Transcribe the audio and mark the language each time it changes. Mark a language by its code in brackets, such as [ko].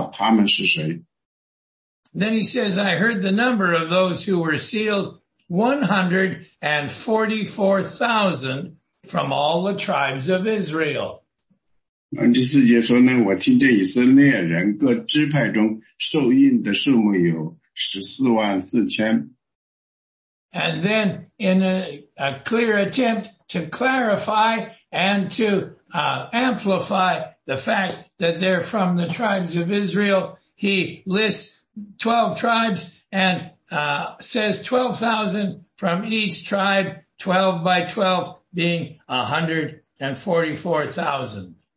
[zh] 那这个呢，就是他说，你们等一下，等一下，等我们把这些少数的跟随着主的封印以后呢，然后你们再去做那些事儿。我们因为知道他们是谁。Then [en] he says, I heard the number of those who were sealed. 144,000 from all the tribes of Israel. [zh] 第四节说呢，我听见以色列人各支派中受印的数目有14,400。 [en] And then in a clear attempt to clarify and to amplify the fact that they're from the tribes of Israel, he lists 12 tribes and says 12,000 from each tribe, 12 by 12 being 144,000.